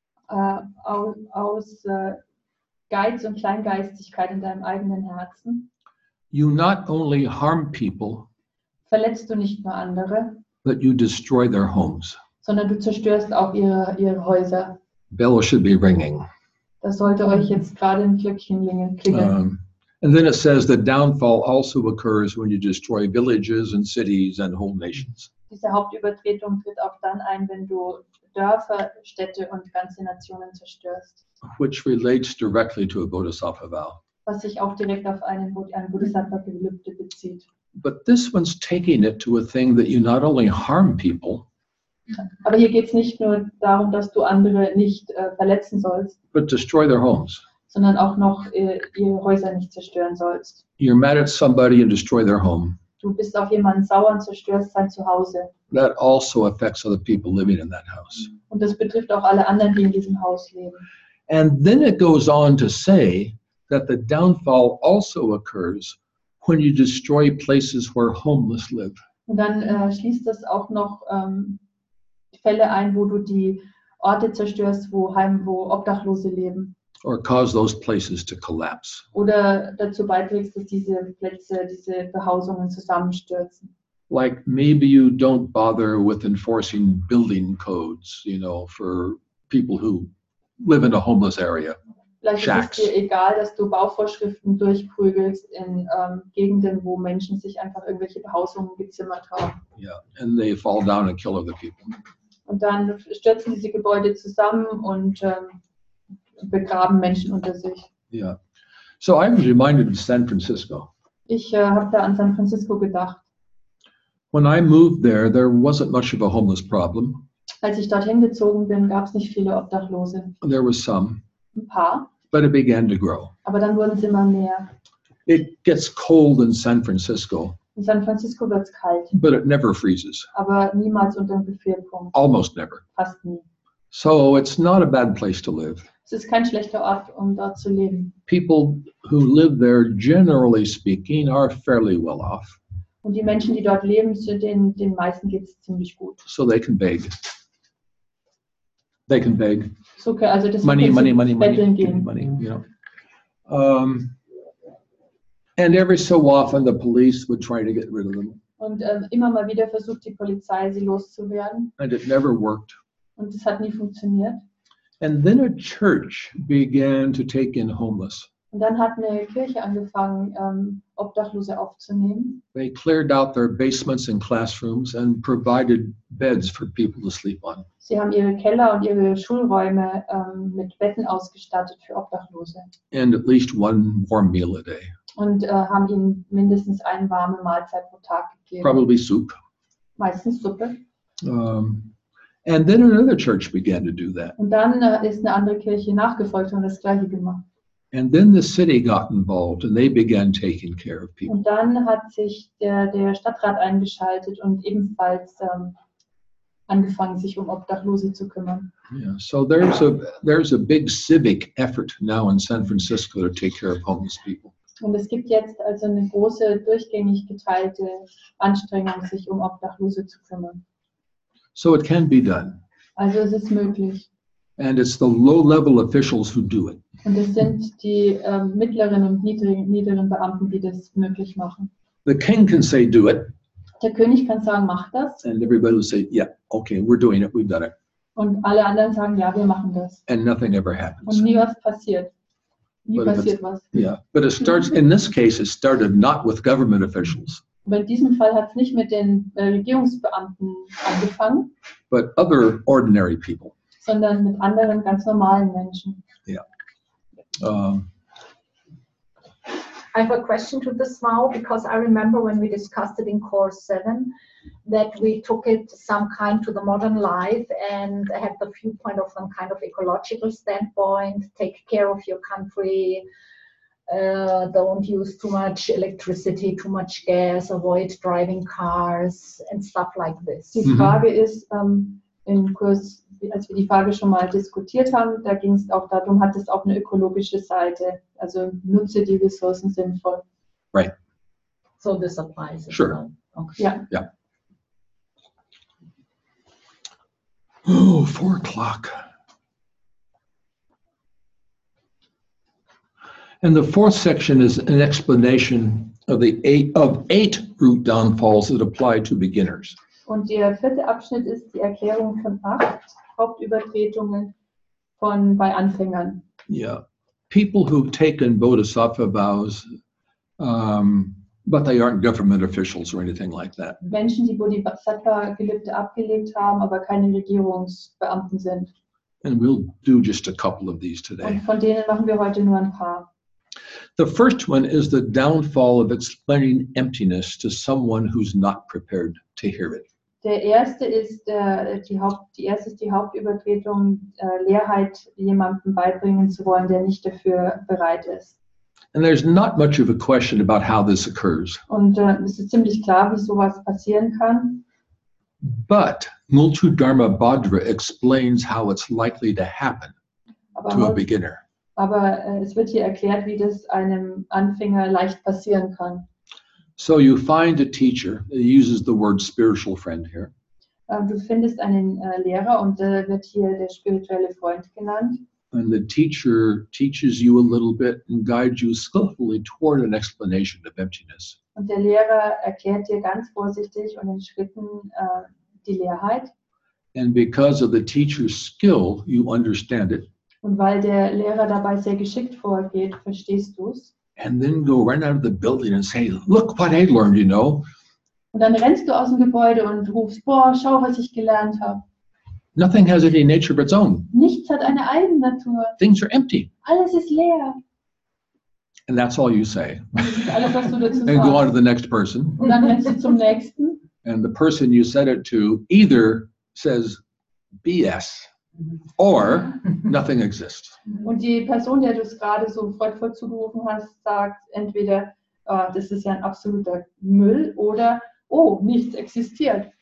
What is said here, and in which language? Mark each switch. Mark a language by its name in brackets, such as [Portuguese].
[German] Aus Geiz und Kleingeistigkeit in deinem eigenen Herzen. [English] You not only harm people, [German] verletzt du nicht nur andere, [English] but you destroy their homes. [German] Sondern du zerstörst auch ihre Häuser. [English] Bell should be ringing. [German] Das sollte euch jetzt gerade ein Glöckchen klingeln. [English] And then it says the downfall also occurs when you destroy villages and cities and whole nations. [German] Diese Hauptübertretung tritt auch dann ein, wenn du Dörfer, Städte und ganze Nationen zerstörst. [English] Which relates directly to a Bodhisattva vow. [German] Was sich auch direkt auf einen Bodhisattva-Gelübde bezieht. [English] But this one's taking it to a thing that you not only harm people. [German] Aber hier geht's nicht nur darum, dass du andere nicht verletzen sollst. [English] But destroy their homes. [German] Sondern auch noch ihre Häuser nicht zerstören sollst. [English] You're mad at somebody and destroy their home. [German] Du bist auf jemanden sauer und zerstörst sein Zuhause. [English] That also affects other people living in that house. [German] Und das betrifft auch alle anderen, die in diesem Haus leben. [English] And then it goes on to say that the downfall also occurs when you destroy places where homeless live. [German] Und dann schließt das auch noch Fälle ein, wo du die Orte zerstörst, wo Obdachlose leben. [English] Or cause those places to collapse. [German] Oder dazu beiträgst, dass diese Plätze, diese Behausungen zusammenstürzen. [English] Like maybe you don't bother with enforcing building codes, you know, for people who live in a homeless area. [German] Vielleicht Shacks. Ist es dir egal, dass du Bauvorschriften durchprügelst in Gegenden, wo Menschen sich einfach irgendwelche Behausungen gezimmert haben. [English] Yeah, and they fall down and kill other people. [German] Und dann stürzen diese Gebäude zusammen und begraben Menschen unter sich. [English] Yeah. So I was reminded of San Francisco. [German] Ich habe da an San Francisco gedacht. [English] When I moved there, there wasn't much of a homeless problem. [German] Als ich dorthin gezogen bin, gab es nicht viele Obdachlose. [English] There was some. [German] Ein paar. [English] But it began to grow. [German] Aber dann wurden es immer mehr. [English] It gets cold in San Francisco. [German] In San Francisco wird es kalt. [English] But it never freezes. [German] Aber niemals unter dem Gefrierpunkt. [English] Almost never. [German] Fast nie. [English] So it's not a bad place to live. [German] Es ist kein schlechter Ort, um dort zu leben. [English] People who live there, generally speaking, are fairly well off. [German] Und die Menschen, die dort leben, sind den meisten geht es ziemlich gut. [English] So they can beg. They can beg. [German] So, okay, also das [English] money, money, money, money, money, you know. And every so often the police would try to get rid of them. [German] Und immer mal wieder versucht die Polizei, sie loszuwerden. [English] And it never worked. [German] Und es hat nie funktioniert. [English] And then a church began to take in homeless. [German] Und dann hat eine Kirche angefangen, Obdachlose aufzunehmen. [English] They cleared out their basements and classrooms and provided beds for people to sleep on. [German] Sie haben ihre Keller und ihre Schulräume mit Betten ausgestattet für Obdachlose. [English] And at least one warm meal a day. [German] Und haben ihnen mindestens eine warme Mahlzeit pro Tag gegeben. [English] Probably soup. [German] Meistens Suppe. [English] And then another church began to do that. [German] Und dann ist eine andere Kirche nachgefolgt und das gleiche gemacht. [English] And then the city got involved and they began taking care of people. [German] Und dann hat sich der Stadtrat eingeschaltet und ebenfalls angefangen, sich um Obdachlose zu kümmern. [English] Yeah, so there's a big civic effort now in San Francisco to take care of homeless people. [German] Und es gibt jetzt also eine große, durchgängig geteilte Anstrengung, sich um Obdachlose zu kümmern. [English] So it can be done. [German] Also es ist möglich. [English] And it's the low-level officials who do it. [German] Und es sind die mittleren und niederen Beamten, die das möglich machen. [English] The king can say, do it. [German] Der König kann sagen, mach das. [English] And everybody will say, yeah, okay, we're doing it, we've done it. [German] Und alle anderen sagen, ja, wir machen das. [English] And nothing ever happens. [German] Und nie was passiert. [English] Yeah, but it starts, in this case, it started not with government officials. [German] Aber in diesem Fall hat es nicht mit den Regierungsbeamten angefangen. [English] But other ordinary people. [German] Sondern mit anderen ganz normalen Menschen. [English] Yeah. I have a question to this now, because I remember when we discussed it in course 7 that we took it some kind to the modern life and had the viewpoint of some kind of ecological standpoint, take care of your country, don't use too much electricity, too much gas, avoid driving cars and stuff like this. [German] Die Frage ist, im Kurs, als wir die Frage schon mal diskutiert haben, da ging es auch darum, hat es auch eine ökologische Seite, also nutze die Ressourcen sinnvoll. [English] Right. So this applies. Sure. Well. Okay. Yeah. Yeah. Oh, 4 o'clock. And the fourth section is an explanation of the eight root downfalls that apply to beginners. [German] Und der vierte Abschnitt ist die Erklärung von 8 Hauptübertretungen von bei Anfängern. [English] Yeah, people who've taken bodhisattva vows, but they aren't government officials or anything like that. [German] Menschen, die Bodhisattva-Gelübde abgelegt haben, aber keine Regierungsbeamten sind. [English] And we'll do just a couple of these today. [German] Und von denen machen wir heute nur ein paar. [English] The first one is the downfall of explaining emptiness to someone who's not prepared to hear it. [German] Der erste ist die Hauptübertretung, Leerheit jemandem beibringen zu wollen, der nicht dafür bereit ist. [English] And there's not much of a question about how this occurs. [German] Und es ist ziemlich klar, wie sowas passieren kann. [English] But Multudharma Bhadra explains how it's likely to happen to a beginner. [German] Aber es wird hier erklärt, wie das einem Anfänger leicht passieren kann. [English] So you find a teacher, he uses the word spiritual friend here. [German] Du findest einen Lehrer und der wird hier der spirituelle Freund genannt. [English] And the teacher teaches you a little bit and guides you skillfully toward an explanation of emptiness. [German] Und der Lehrer erklärt dir ganz vorsichtig und in Schritten die Leerheit. [English] And because of the teacher's skill, you understand it. [German] Und weil der Lehrer dabei sehr geschickt vorgeht, verstehst du es. [English] And then go right out of the building and say, look what I learned, you know. [German] Und dann rennst du aus dem Gebäude und rufst, boah, schau, was ich gelernt habe. [English] Nothing has any nature of its own. [German] Nichts hat eine Eigennatur. [English] Things are empty. [German] Alles ist leer. [English] And that's all you say. [German] Alles, was du dazu sagst. [English] And go on to the next person. [German] Und dann rennst du zum Nächsten. [English] And the person you said it to either says, BS. Or nothing exists. [German] Und die Person, der du es gerade so freudvoll zugerufen hast, sagt entweder, das ist ja ein absoluter Müll, oder, oh, nichts existiert.